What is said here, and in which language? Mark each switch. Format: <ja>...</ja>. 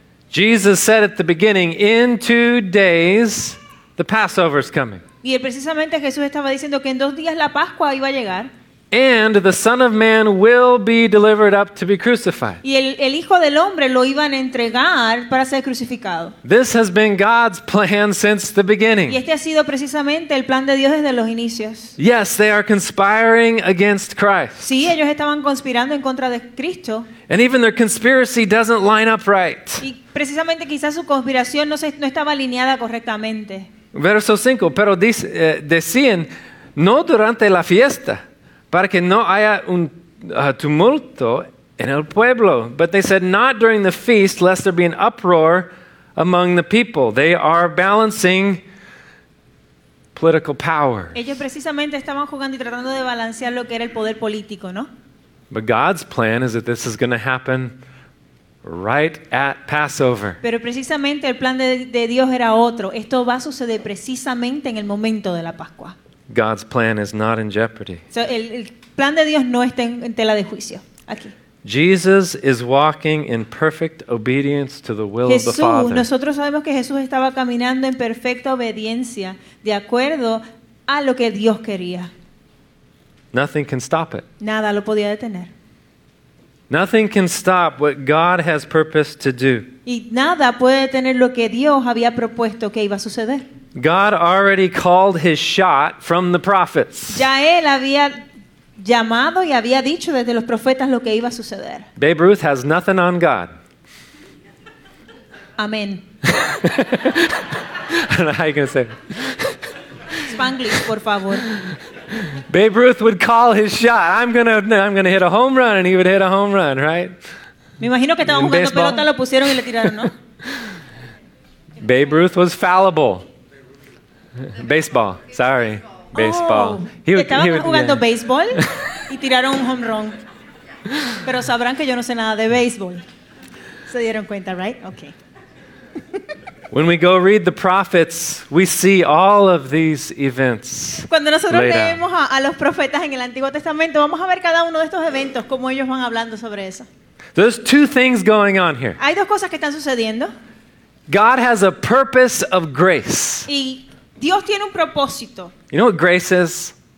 <en>Jesus said at the beginning, "In 2 days, the Passover is coming."</en> <es>Y precisamente Jesús estaba diciendo que en 2 días la Pascua iba a llegar.</es> <en>And the Son of Man will be delivered up to be crucified.</en> <es>Y el Hijo del Hombre lo iban a entregar para ser crucificado.</es> <en>This has been God's plan since the beginning.</en> <es>Y este ha sido precisamente el plan de Dios desde los inicios.</es> <en>Yes, they are conspiring against Christ.</en> <es>Sí, ellos estaban conspirando en contra de Cristo.</es> <en>And even their conspiracy doesn't line up right.</en> <es>Y precisamente quizás su conspiración no estaba alineada correctamente. Verso 5, pero decían, no durante la fiesta, para que no haya un tumulto en el pueblo.</es> <en>But they said, not during the feast, lest there be an uproar among the people. They are balancing political power.</en> <es>Ellos precisamente estaban jugando y tratando de balancear lo que era el poder político, ¿no?</es> <en>But God's plan is that this is going to happen right at Passover.</en> <es>Pero precisamente el plan de Dios era otro. Esto va a suceder precisamente en el momento de la Pascua.</es> <en>God's plan is not in jeopardy.</en> <es>So el plan de Dios no está en tela de juicio aquí.</es> <en>Jesus is walking in perfect obedience to the will</en> <es>Jesús,</es> <en>of the Father.</en> <es>Nosotros sabemos que Jesús estaba caminando en perfecta obediencia de acuerdo a lo que Dios quería.</es> <en>Nothing can stop it.</en> <es>Nada lo podía detener.</es> <en>Nothing can stop what God has purposed to do.</en> <es>Y nada puede detener lo que Dios había propuesto que iba a suceder.</es> <en>God already called his shot from the prophets.</en> <es>Ya él había llamado y había dicho desde los profetas lo que iba a suceder.</es> <en>Babe Ruth has nothing on God.</en> <es>Amén.</es> <en>I don't know how you can say it.</en> <es>Spanglish, por favor.</es> <en>Babe Ruth would call his shot. I'm gonna hit a home run, and he would hit a home run, right?</en> <es>Me imagino que estaban jugando pelota, lo pusieron y le tiraron, ¿no?</es> <en>Babe Ruth was fallible. Baseball, sorry. Baseball.</en> <es>Oh, estaban jugando baseball y tiraron un home run. Pero sabrán que yo no sé nada de baseball. Se dieron cuenta,</es> <en>right? Okay. When we go read the prophets, we see all of these events.</en> <es>Cuando nosotros leemos a los profetas en el Antiguo Testamento, vamos a ver cada uno de estos eventos, cómo ellos van hablando sobre eso.</es> <en>There's two things going on here.</en> <es>Hay dos cosas que están sucediendo.</es> <en>God has a purpose of grace.</en> <es>Y Dios tiene un propósito.</es> <en>You know what grace is?</en>